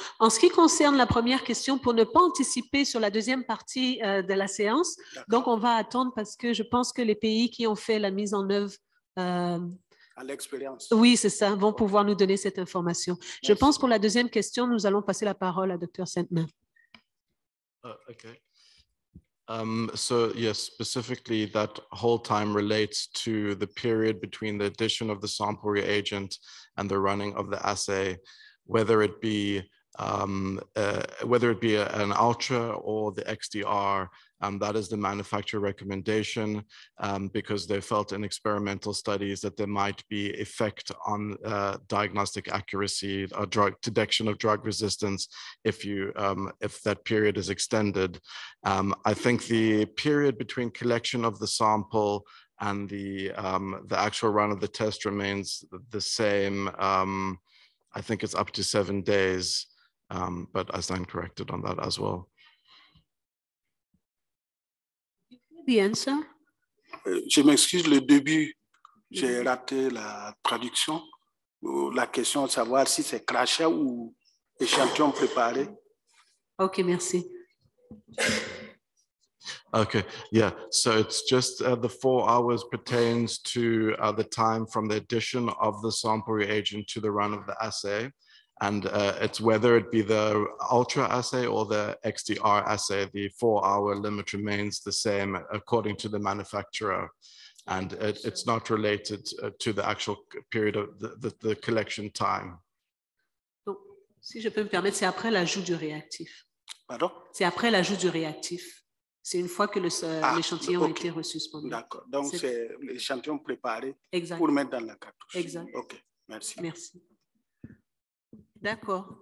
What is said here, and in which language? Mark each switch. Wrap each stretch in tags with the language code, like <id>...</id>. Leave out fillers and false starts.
<fr>En ce qui concerne la première question, pour ne pas anticiper sur la deuxième partie de la séance, d'accord, donc on va attendre parce que je pense que les pays qui ont fait la mise en œuvre à l'expérience. Oui, c'est ça, vont pouvoir nous donner cette information. Merci. Je pense pour la deuxième question, nous allons passer la parole à Dr. Saint-Main. OK.</fr> <en>So yes, specifically that whole time relates to the period between the addition of the sample reagent and the running of the assay, whether it be an ultra or the XDR, that is the manufacturer recommendation, because they felt in experimental studies that there might be effect on diagnostic accuracy, detection of drug resistance, if that period is extended. I think the period between collection of the sample and the actual run of the test remains the same. I think it's up to 7 days. But I stand corrected on that as well. The answer?</en> <fr>Je m'excuse, le début, j'ai raté la traduction. La question, savoir si c'est crachat ou échantillon préparé. Okay, merci.</fr> <en>Okay, yeah, so it's just the 4 hours pertains to the time from the addition of the sample reagent to the run of the assay. And it's whether it be the ultra assay or the XDR assay, the 4 hour limit remains the same according to the manufacturer. And it's not related to the actual period of the collection time.</en> <fr>Donc, si je peux me permettre, c'est après l'ajout du réactif. Pardon? C'est après l'ajout du réactif. C'est une fois que l'échantillon a été reçu. D'accord. Donc, c'est l'échantillon préparé pour mettre dans la cartouche. Exact. OK. Merci. Merci. D'accord.</fr>